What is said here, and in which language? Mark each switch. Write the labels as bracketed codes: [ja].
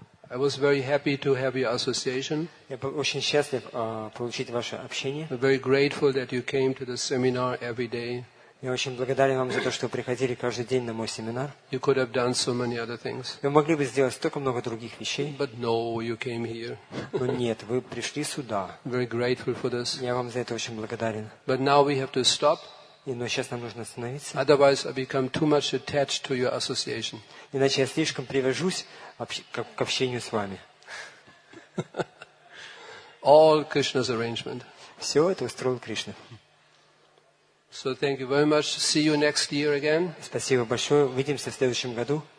[en] I was very happy to have your association. [ru] Я был очень счастлив получить ваше общение. [en] I'm very grateful that you came to the seminar every day. [ru] Я очень благодарен вам за то, что вы приходили каждый день на мой семинар. [en] You could have done so many other things. [ru] Вы могли бы сделать столько много других вещей. [en] But no, you came here. [ru] Но нет, вы пришли сюда. [en] Very grateful for this. [ru] Я вам за это очень благодарен. [en] But now we have to stop. [ru] Но сейчас нам нужно остановиться. [en] Otherwise, I become too much attached to your association. [ru] Иначе я слишком привяжусь к общению с вами. [en] All Krishna's arrangement. [ru] Все это устроил Кришна. [en] So thank you very much. See you next year again. [ru] Спасибо большое. Увидимся в следующем году.